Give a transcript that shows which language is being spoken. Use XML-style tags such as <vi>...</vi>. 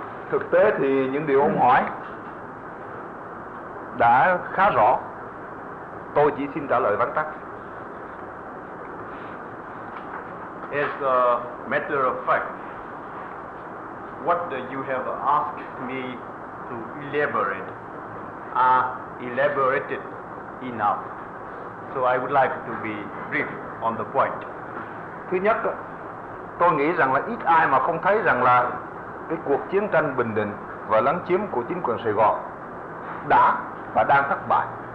<vi>Thực tế thì những điều ông hỏi đã khá rõ, tôi chỉ xin trả lời vắn tắt.</vi> <en>As a matter of fact, what you have asked me to elaborate are elaborated enough, so I would like to be brief on the point.</en> <vi>Thứ nhất, tôi nghĩ rằng là ít ai mà không thấy rằng là cái cuộc chiến tranh bình định và lấn chiếm của chính quyền Sài Gòn đã và đang thất bại.</vi>